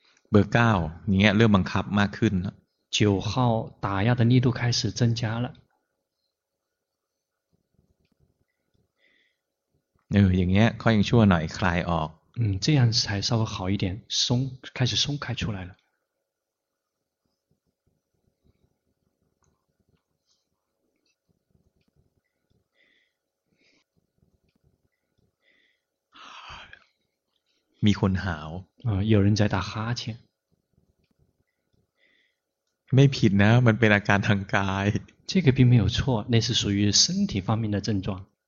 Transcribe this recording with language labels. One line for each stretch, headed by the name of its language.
Thai: เบอร์9เนี่ยเริ่มบังคับมากขึ้นแล้ว
Chinese: 九号打压的力度开始增加了
Thai: อย่างเงี้ยค่อยชั่วหน่อยคลายออก
Chinese: 这样才稍微好一点松开始松开出来了
Thai: มีคนหาว
Chinese: 有人在打哈欠
Thai: ไม่ผิดนะมันเป็นอาการทางกาย
Chinese: 这个并没有错那是属于身体方面的症状